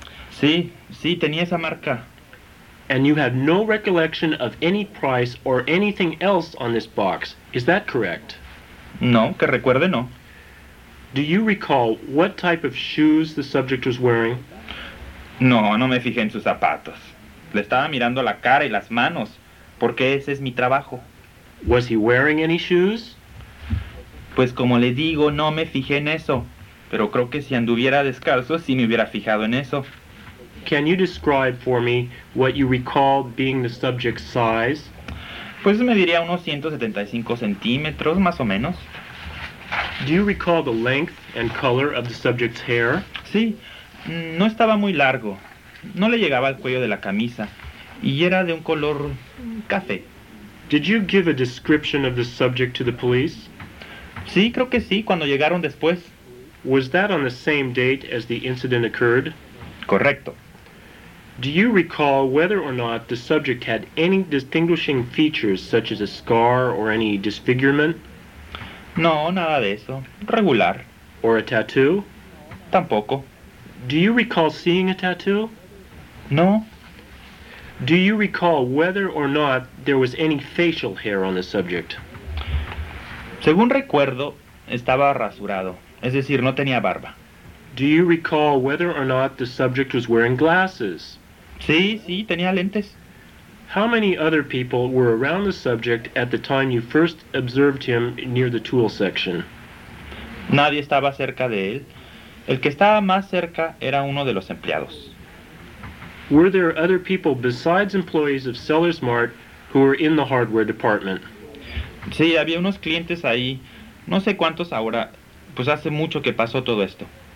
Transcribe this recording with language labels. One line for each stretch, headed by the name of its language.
Spanish: Sí, sí, tenía esa marca.
English: And you have no recollection of any price or anything else on this box. Is that correct?
Spanish: No, que recuerde, no.
English: Do you recall what type of shoes the subject was wearing?
Spanish: No, no me fijé en sus zapatos. Le estaba mirando la cara y las manos, porque ese es mi trabajo.
English: Was he wearing any shoes?
Spanish: Pues como le digo, no me fijé en eso. Pero creo que si anduviera descalzo, sí me hubiera fijado en eso.
English: Can you describe for me what you recall being the subject's size?
Spanish: Pues me diría unos 175 centímetros, más o menos.
English: Do you recall the length and color of the subject's hair?
Spanish: Sí, no estaba muy largo. No le llegaba al cuello de la camisa. Y era de un color café.
English: Did you give a description of the subject to the police?
Spanish: Sí, creo que sí, cuando llegaron después.
English: Was that on the same date as the incident occurred?
Spanish: Correcto.
English: Do you recall whether or not the subject had any distinguishing features such as a scar or any disfigurement?
Spanish: No, nada de eso. Regular.
English: Or a tattoo?
Spanish: Tampoco.
English: Do you recall seeing a tattoo?
Spanish: No.
English: Do you recall whether or not there was any facial hair on the subject?
Spanish: Según recuerdo, estaba rasurado. Es decir, no tenía barba.
English: Do you recall whether or not the subject was wearing glasses?
Spanish: Sí, sí, tenía lentes.
English: How many other people were around the subject at the time you first observed him near the tool section?
Spanish: Nadie estaba cerca de él. El que estaba más cerca era uno de los empleados.
English: Were there other people besides employees of Sellers Mart who were in the hardware department?
Spanish: Sí, había unos clientes ahí. No sé cuántos ahora, pues hace mucho que pasó todo esto.